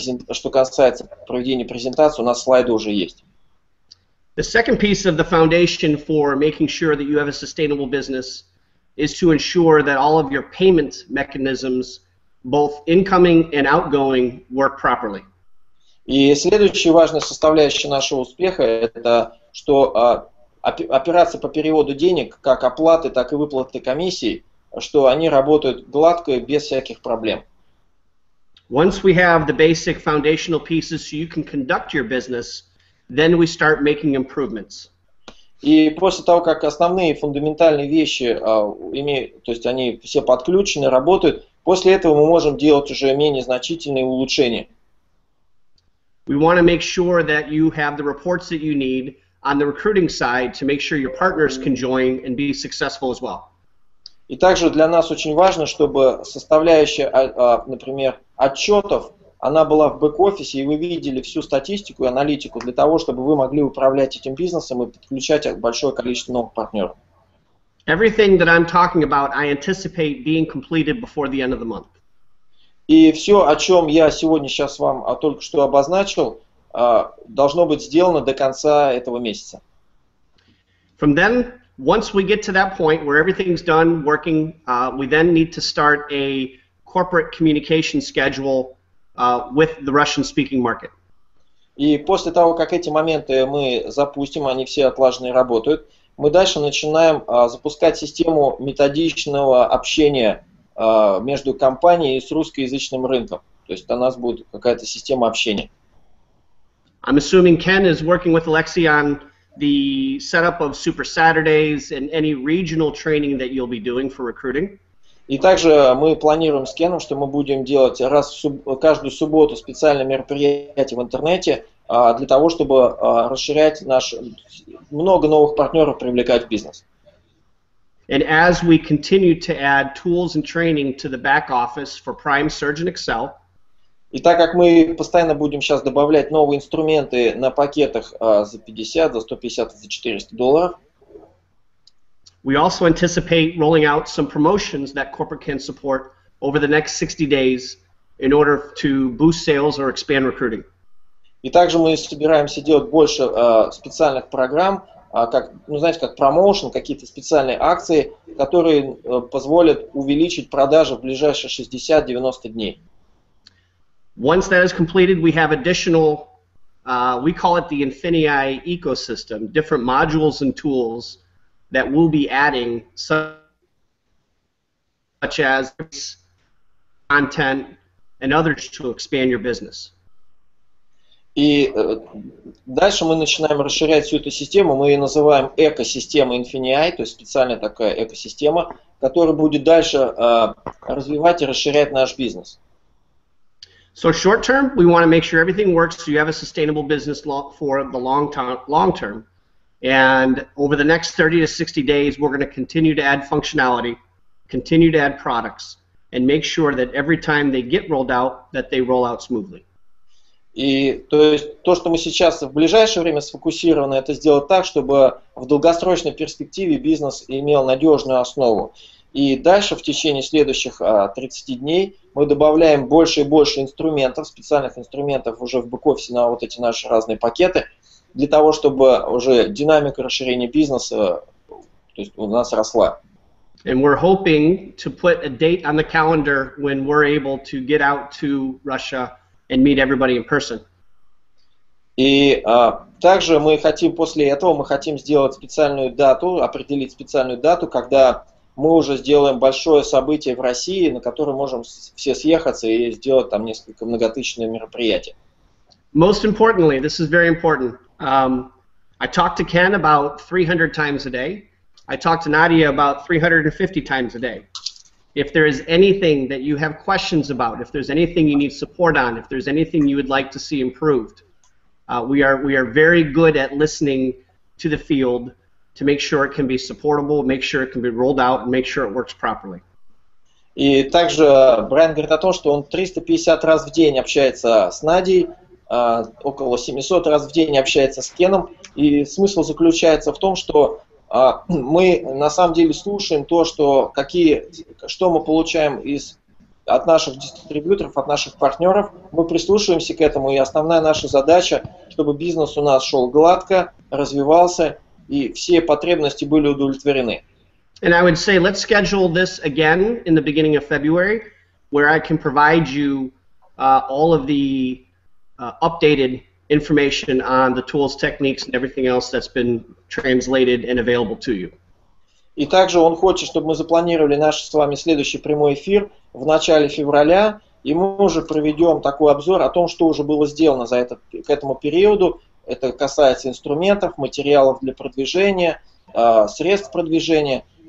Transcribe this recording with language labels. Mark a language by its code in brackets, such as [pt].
[ru] Что касается проведения презентации, у нас слайды уже есть. [en] The second piece of the foundation for making sure that you have a sustainable business is to ensure that all of your payment mechanisms, both incoming and outgoing, work properly. [ru] И следующая важная составляющая нашего успеха – это что операции по переводу денег, как оплаты, так и выплаты комиссий, что они работают гладко и без всяких проблем. [en] Once we have the basic foundational pieces so you can conduct your business, then we start making improvements. [ru] И после того, как основные фундаментальные вещи, то есть они все подключены, работают, после этого мы можем делать уже менее значительные улучшения. [en] We want to make sure that you have the reports that you need on the recruiting side to make sure your partners can join and be successful as well. [ru] И также для нас очень важно, чтобы составляющая, например, отчетов, она была в бэк-офисе, и вы видели всю статистику и аналитику для того, чтобы вы могли управлять этим бизнесом и подключать большое количество новых партнеров. [en] Everything that I'm talking about, I anticipate being completed before the end of the month. [ru] И все, о чем я сегодня сейчас вам только что обозначил, должно быть сделано до конца этого месяца. [en] From then, once we get to that point where everything's done, working, we then need to start a corporate communication schedule with the Russian-speaking market. [ru] И после того, как эти моменты мы запустим, они все отлажены и работают, мы дальше начинаем запускать систему методичного общения между компанией и с русскоязычным рынком. То есть у нас будет какая-то система общения. [en] I'm assuming Ken is working with Alexei on the setup of Super Saturdays and any regional training that you'll be doing for recruiting. [ru] И также мы планируем с Кеном, что мы будем делать раз в каждую субботу специальное мероприятие в интернете для того, чтобы расширять наш, много новых партнеров привлекать в бизнес. [en] And as we continue to add tools and training to the back office for Prime Surgeon Excel, [ru] и так как мы постоянно будем сейчас добавлять новые инструменты на пакетах за 50, за 150, за $400, [en] we also anticipate rolling out some promotions that corporate can support over the next 60 days in order to boost sales or expand recruiting. [ru] И также мы собираемся делать больше специальных программ, как, ну, знаете, как промоушен, какие-то специальные акции, которые позволят увеличить продажи в ближайшие 60-90 дней. [en] Once that is completed, we have additional, we call it the Infinii ecosystem, different modules and tools that we'll be adding, such as content and others to expand your business. [ru] И дальше мы начинаем расширять всю эту систему, мы ее называем экосистема Infinii, то есть специальная такая экосистема, которая будет дальше развивать и расширять наш бизнес. [en] So short term, we want to make sure everything works so you have a sustainable business for the long term. And over the next 30 to 60 days, we're going to continue to add functionality, continue to add products, and make sure that every time they get rolled out, that they roll out smoothly. [ru] И то есть то, что мы сейчас в ближайшее время сфокусированы, это сделать так, чтобы в долгосрочной перспективе бизнес имел надежную основу. И дальше, в течение следующих 30 дней, мы добавляем больше и больше инструментов, специальных инструментов уже в бэк-офисе на вот эти наши разные пакеты, для того, чтобы уже динамика расширения бизнеса то есть у нас росла. [en] And we're hoping to put a date on the calendar when we're able to get out to Russia and meet everybody in person. [ru] И также мы хотим после этого, мы хотим сделать специальную дату, определить специальную дату, когда мы уже сделаем большое событие в России, на которое можем все съехаться и сделать там несколько многотысячных мероприятий. [en] Most importantly, this is very important. I talk to Ken about 300 times a day. I talk to Nadia about 350 times a day. If there is anything that you have questions about, if there's anything you need support on, if there's anything you would like to see improved, we are very good at listening to the field to make sure it can be supportable, make sure it can be rolled out, and make sure it works properly. [ru] И также Брайан говорит о том, что он 350 раз в день общается с Надей, около 700 раз в день общается с Кеном, и смысл заключается в том, что мы на самом деле слушаем то, что что мы получаем от наших дистрибьюторов, от наших партнеров, мы прислушиваемся к этому, и основная наша задача, чтобы бизнес у нас шел гладко, развивался, и все потребности были удовлетворены. [en] And I would say, let's schedule this again in the beginning of February, where I can provide you all of the updated information on the tools, techniques, and everything else that's been translated and available to you. [ru] И также он хочет, чтобы мы запланировали наш с вами следующий прямой эфир в начале февраля, и мы уже проведем такой обзор о том, что уже было сделано за этот, к этому периоду. Это касается инструментов, материалов для продвижения, средств продвижения.